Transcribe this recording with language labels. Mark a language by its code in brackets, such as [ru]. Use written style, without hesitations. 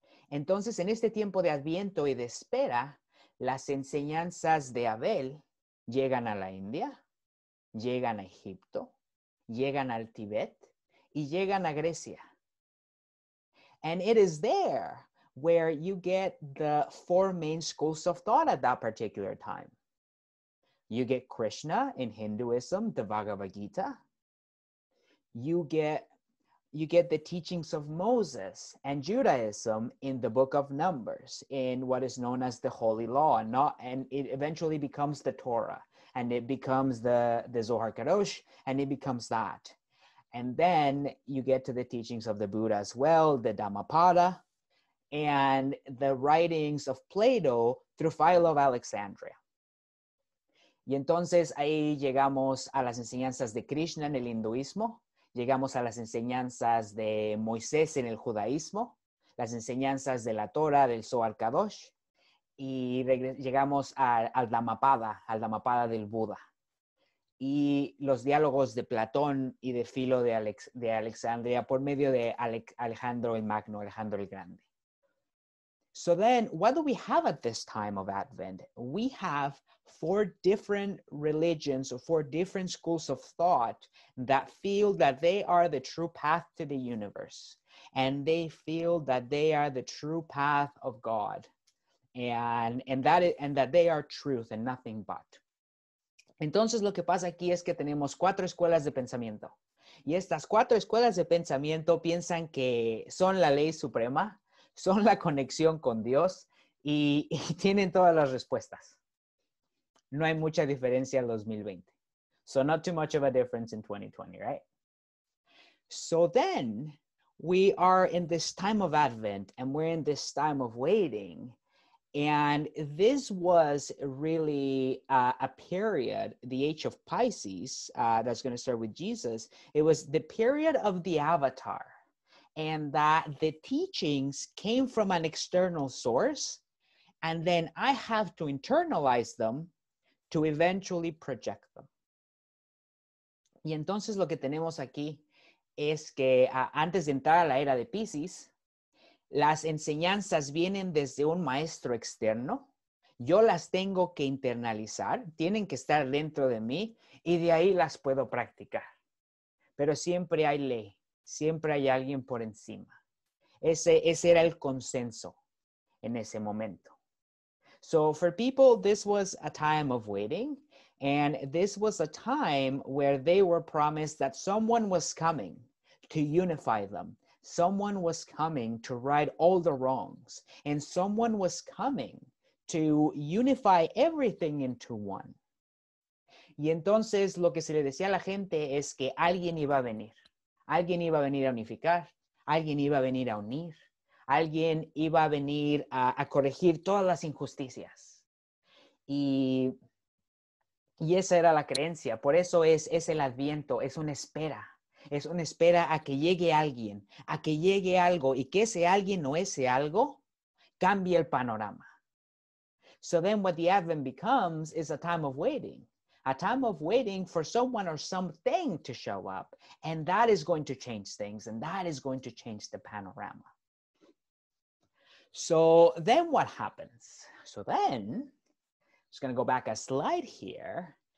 [es] Entonces, en este tiempo de Adviento y de espera, las enseñanzas de Abel llegan a la India, llegan a Egipto, llegan al Tibet, y llegan a Grecia. [en] And it is there where you get the four main schools of thought at that particular time. You get Krishna in Hinduism, the Bhagavad Gita. You get the teachings of Moses and Judaism in the Book of Numbers, in what is known as the Holy Law, and it eventually becomes the Torah, and it becomes the Zohar Kadosh, and it becomes that. And then you get to the teachings of the Buddha as well, the Dhammapada, and the writings of Plato through Philo of Alexandria. [es] Y entonces ahí llegamos a las enseñanzas de Krishna en el hinduismo, llegamos a las enseñanzas de Moisés en el judaísmo, las enseñanzas de la Torah, del Zohar Kadosh, y llegamos al Dhammapada del Buda. Y los diálogos de Platón y de Filo de Alejandría por medio de Alejandro el Magno, Alejandro el Grande. [en] So then, what do we have at this time of Advent? We have 4 different religions or 4 different schools of thought that feel that they are the true path to the universe. And they feel that they are the true path of God. And that they are truth and nothing but. [es] Entonces, lo que pasa aquí es que tenemos 4 escuelas de pensamiento. Y estas 4 escuelas de pensamiento piensan que son la ley suprema, son la conexión con Dios y tienen todas las respuestas. No hay mucha diferencia en 2020. [en] So not too much of a difference in 2020, right? So then we are in this time of Advent and we're in this time of waiting. And this was really a period, the age of Pisces, that's going to start with Jesus. It was the period of the avatar. And that the teachings came from an external source, and then I have to internalize them to eventually project them. [es] Y entonces lo que tenemos aquí es que antes de entrar a la era de Pisces, las enseñanzas vienen desde un maestro externo. Yo las tengo que internalizar, tienen que estar dentro de mí, y de ahí las puedo practicar. Pero siempre hay ley. Siempre hay alguien por encima. Ese era el consenso en ese momento. [en] So for people, this was a time of waiting. And this was a time where they were promised that someone was coming to unify them. Someone was coming to right all the wrongs. And someone was coming to unify everything into one. [es] Y entonces lo que se le decía a la gente es que alguien iba a venir. Alguien iba a venir a unificar. Alguien iba a venir a unir. Alguien iba a venir a corregir todas las injusticias. Y esa era la creencia. Por eso es el Adviento, es una espera. Es una espera a que llegue alguien, a que llegue algo. Y que ese alguien o ese algo cambie el panorama. [en] So then what the Advent becomes is a time of waiting. A time of waiting for someone or something to show up. And that is going to change things. And that is going to change the panorama. So then what happens? So then, I'm just going to go back a slide here.